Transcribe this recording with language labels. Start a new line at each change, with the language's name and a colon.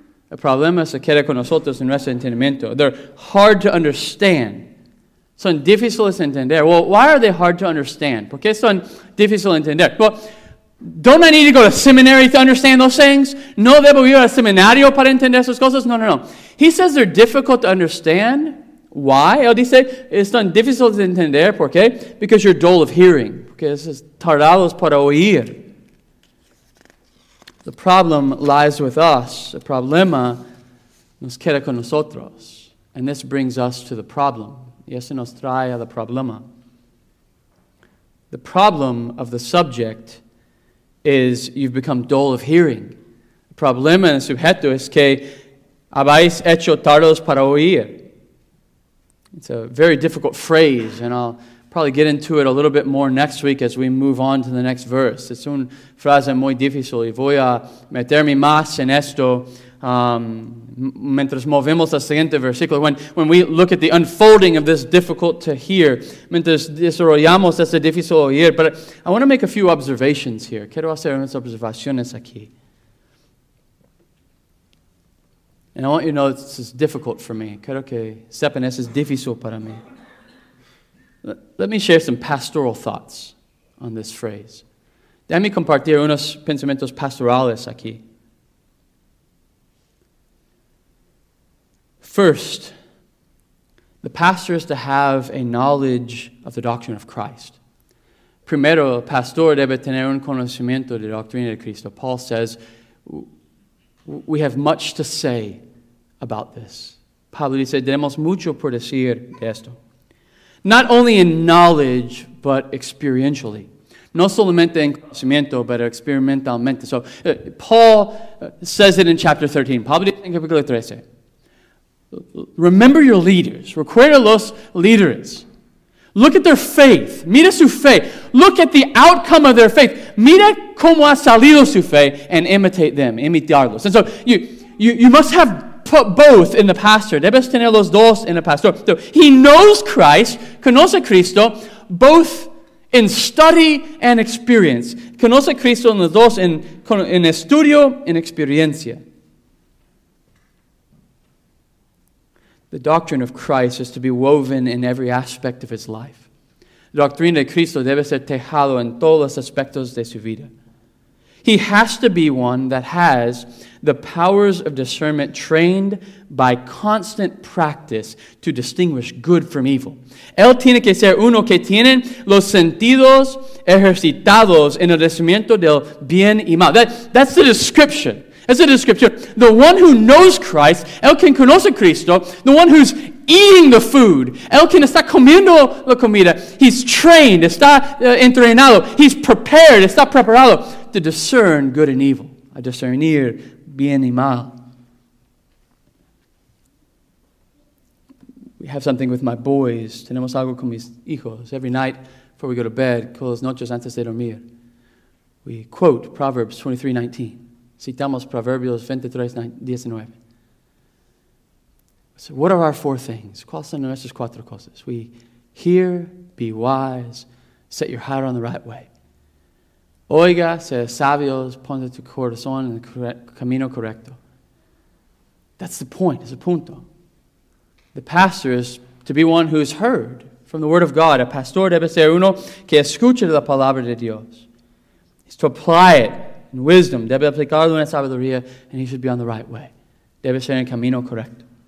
Spanish: El problema se queda con nosotros en nuestro entendimiento.
English: They're hard to understand.
Spanish: Son difíciles de entender.
English: Well, why are they hard to understand?
Spanish: ¿Por qué son difíciles de entender?
English: Well, don't I need to go to seminary to understand those things?
Spanish: ¿No debo ir al seminario para entender esas cosas? No.
English: He says they're difficult to understand. Why?
Spanish: Él dice, son difíciles de entender. ¿Por qué?
English: Because you're dull of hearing.
Spanish: Porque es tardados para oír.
English: The problem lies with us.
Spanish: El problema nos queda con nosotros.
English: And this brings us to the problem.
Spanish: Y eso nos trae a la problema.
English: The problem of the subject is you've become dull of hearing.
Spanish: El problema en el sujeto es que habéis hecho tardos para oír.
English: It's a very difficult phrase, and I'll probably get into it a little bit more next week as we move on to the next verse.
Spanish: Es una frase muy difícil, y voy a meterme más en esto mientras movemos el siguiente versículo,
English: when we look at the unfolding of this difficult to hear,
Spanish: mientras desarrollamos este difícil oír,
English: but I want to make a few observations here.
Spanish: Quiero hacer unas observaciones aquí.
English: And I want you to know this is difficult for me.
Spanish: Quiero que sepan, es difícil para mí.
English: Let me share some pastoral thoughts on this phrase.
Spanish: Déjame compartir unos pensamientos pastorales aquí.
English: First, the pastor is to have a knowledge of the doctrine of Christ.
Spanish: Primero, el pastor debe tener un conocimiento de la doctrina de Cristo.
English: Paul says, we have much to say about this.
Spanish: Pablo dice, tenemos mucho por decir de esto.
English: Not only in knowledge, but experientially.
Spanish: No solamente en conocimiento, but experimentalmente.
English: So, Paul says it in chapter 13.
Spanish: Pablo dice en capítulo 13.
English: Remember your leaders.
Spanish: Recuerda los líderes.
English: Look at their faith.
Spanish: Mira su fe.
English: Look at the outcome of their faith.
Spanish: Mira cómo ha salido su fe
English: and imitate them.
Spanish: Imitarlos.
English: And so you must have put both in the pastor.
Spanish: Debes tener los dos en el pastor.
English: So he knows Christ.
Spanish: Conoce Cristo
English: both in study and experience.
Spanish: Conoce Cristo en los dos en estudio en experiencia.
English: The doctrine of Christ is to be woven in every aspect of his life.
Spanish: La doctrina de Cristo debe ser tejado en todos los aspectos de su vida.
English: He has to be one that has the powers of discernment trained by constant practice to distinguish good from evil.
Spanish: Él tiene que ser uno que tiene los sentidos ejercitados en el discernimiento del bien y mal.
English: That's the description. It's a description. The one who knows Christ,
Spanish: él quien conoce Cristo,
English: the one who's eating the food,
Spanish: él quien está comiendo la comida,
English: he's trained,
Spanish: está entrenado,
English: he's prepared,
Spanish: está preparado
English: to discern good and evil,
Spanish: a discernir bien y mal.
English: We have something with my boys.
Spanish: Tenemos algo con mis hijos.
English: Every night before we go to bed,
Spanish: todas las noches antes de dormir,
English: we quote Proverbs 23:19.
Spanish: Citamos Proverbios 23:19.
English: So what are our four things?
Spanish: ¿Cuáles son nuestras cuatro cosas?
English: We hear, be wise, set your heart on the right way.
Spanish: Oiga, sea sabios, ponte tu corazón en el camino correcto.
English: That's the point,
Spanish: es el punto.
English: The pastor is to be one who's heard from the word of God.
Spanish: A pastor debe ser uno que escucha la palabra de Dios.
English: He's to apply it. And wisdom,
Spanish: debe aplicarlo en sabiduría,
English: and he should be on the right way.
Spanish: debe ser en camino correcto.